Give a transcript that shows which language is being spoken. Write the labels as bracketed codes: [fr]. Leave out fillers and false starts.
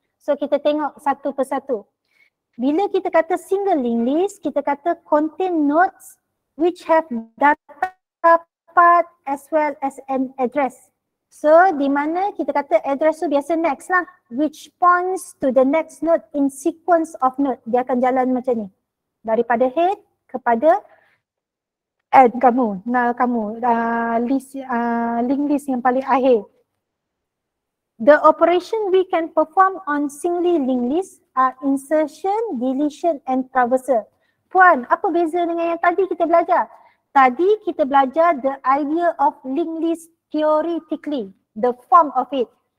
[ms] So, kita tengok satu persatu. Bila kita kata single linked list, kita kata [en] contain nodes which have data path as well as an address. [ms] So, di mana kita kata address tu biasa next lah. [en] Which points to the next node in sequence of node. [ms] Dia akan jalan macam ni. Daripada head kepada end kamu, nah kamu, link list yang paling akhir. [en] The operation we can perform on singly linked list are insertion, deletion and traversal. [ms] Puan, apa beza dengan yang tadi kita belajar? Tadi kita belajar [en] the idea of linked list theoretically, the form of it.